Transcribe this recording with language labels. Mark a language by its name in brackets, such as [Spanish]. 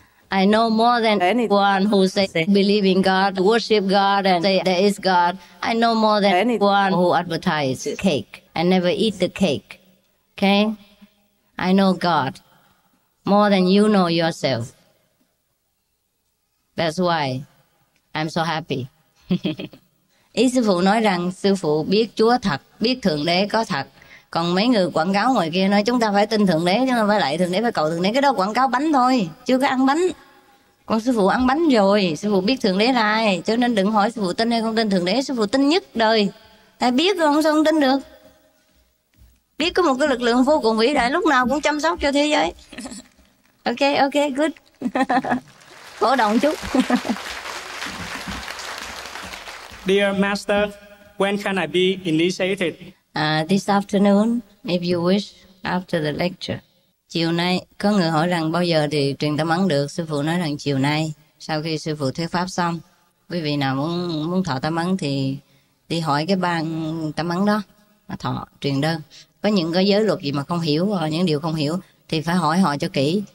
[English] I know more than anyone who says believe in God, worship God, and say there is God. I know more than anyone who advertises cake and never eat the cake. Okay? I know God more than you know yourself. That's why I'm so happy. [Vietnamese] Ý sư phụ nói rằng sư phụ biết Chúa thật, biết Thượng Đế có thật. Còn mấy người quảng cáo ngoài kia nói chúng ta phải tin Thượng Đế, chúng ta phải lạy Thượng Đế, phải cầu Thượng Đế. Cái đó quảng cáo bánh thôi, chưa có ăn bánh. Còn sư phụ ăn bánh rồi, sư phụ biết Thượng Đế là ai. Cho nên đừng hỏi sư phụ tin hay không tin Thượng Đế, sư phụ tin nhất đời. Tại biết rồi không sao không tin được. Biết có một cái lực lượng vô cùng vĩ đại lúc nào cũng chăm sóc cho thế giới. [English] Ok, ok, good. [Vietnamese] Cổ động chút. [English] Dear Master, when can I be initiated? This afternoon, if you wish, after the lecture. [Vietnamese] Chiều nay, có người hỏi rằng bao giờ thì truyền tâm ấn được. Sư phụ nói rằng chiều nay, sau khi sư phụ thuyết pháp xong. Quý vị nào muốn thọ tâm ấn thì đi hỏi cái ban tâm ấn đó, mà thọ, truyền đơn. Có những cái giới luật gì mà không hiểu, hoặc những điều không hiểu, thì phải hỏi họ cho kỹ.